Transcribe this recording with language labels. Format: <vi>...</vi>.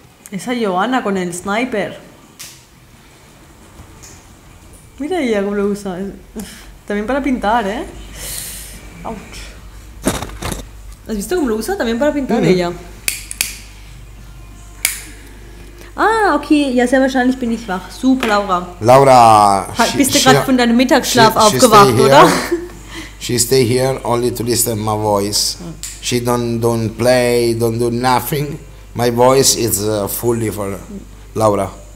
<es>Esa Johanna con el sniper. Mira ella cómo lo usa. También para pintar, ¿eh? Ouch. ¿Has visto cómo lo usa? También para pintar ella.</es> <de>Ah, okay, ja, sehr wahrscheinlich bin ich wach. Super, Laura. Laura, bist du gerade von deinem Mittagsschlaf aufgewacht, oder?</de> <en>She stay here only to listen my voice. She don't play, don't do nothing. My voice is fully for Laura.</en>